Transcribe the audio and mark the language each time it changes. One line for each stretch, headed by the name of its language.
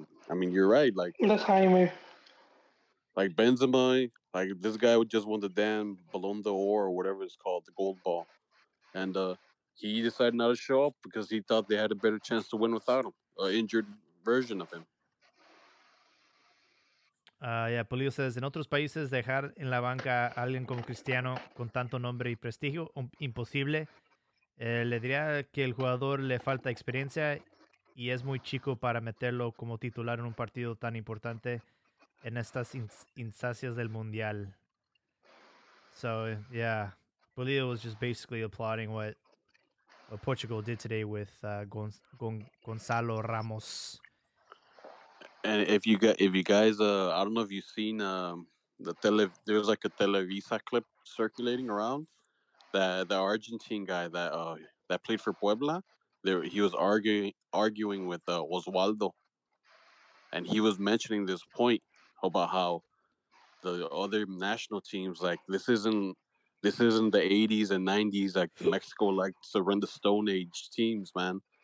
English: I mean, you're right. Like, that's Jaime. Like, Benzema, like, this guy just won the damn Ballon d'Or or whatever it's called, the gold ball. And he decided not to show up because he thought they had a better chance to win without him, an injured version of him. Yeah, Polio says,
Spanish: en otros países, dejar en la banca a alguien como Cristiano con tanto nombre y prestigio, imposible. Le diría que el jugador le falta experiencia y es muy chico para meterlo como titular en un partido tan importante en estas instancias del Mundial.
English: So, yeah. Pulido was just basically applauding what Portugal did today with Gonzalo Ramos. And if you guys, I don't know if you've seen there was like a Televisa clip circulating around that the Argentine guy that that played for Puebla, there he was arguing with Oswaldo, and he was mentioning this point about how the other national teams, like, this isn't the 80s and 90s, like Mexico likes to run the Stone Age teams, man.